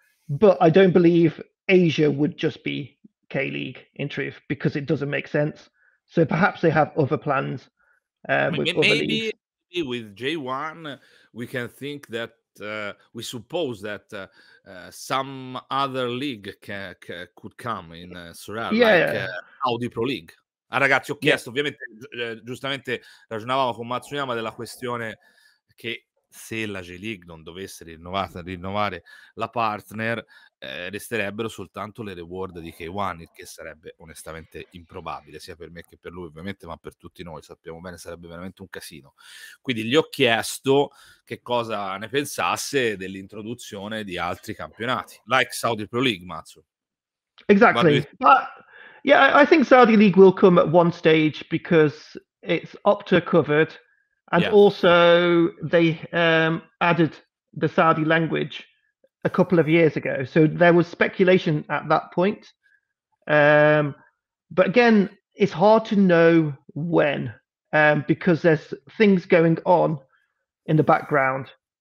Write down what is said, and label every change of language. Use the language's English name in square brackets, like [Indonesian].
[English] But I don't believe Asia would just be K League in truth because it doesn't make sense. So perhaps they have other plans. Maybe with J1, we can think that we suppose that some other league could come in Sorare, Audi Pro League. [Italian] Ah, ragazzi, ho chiesto, ovviamente, giustamente ragionavamo con Matsuyama della questione che se la J-League non dovesse rinnovare la partner, resterebbero soltanto le reward di K1, che sarebbe onestamente improbabile, sia per me che per lui, ovviamente, ma per tutti noi, sappiamo bene, sarebbe veramente un casino. Quindi gli ho chiesto che cosa ne pensasse dell'introduzione di altri campionati, [English] like Saudi Pro League, [Italian] Matsu. [English] Exactly. Yeah, I think Saudi League will come at one stage because it's Opta covered, and also they added the Saudi language a couple of years ago. So there was speculation at that point. But again, it's hard to know when because there's things going on in the background.